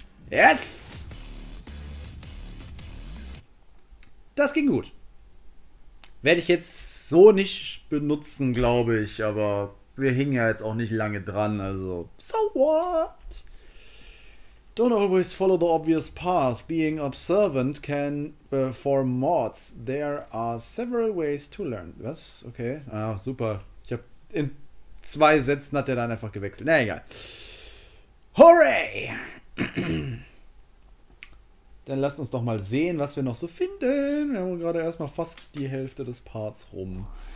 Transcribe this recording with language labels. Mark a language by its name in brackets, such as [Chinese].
[English] Yes! [German] Das ging gut. Werde ich jetzt so nicht benutzen, glaube ich. Aber wir hingen ja jetzt auch nicht lange dran. [English] Also, so what? Don't always follow the obvious path. Being observant can... for mods, there are several ways to learn. [German] Was? Okay. Ah, super. Ich habe in zwei Sätzen hat er dann einfach gewechselt. Na, egal. Hooray! Dann lasst uns doch mal sehen, was wir noch so finden. Wir haben gerade erstmal fast die Hälfte des Parts rum.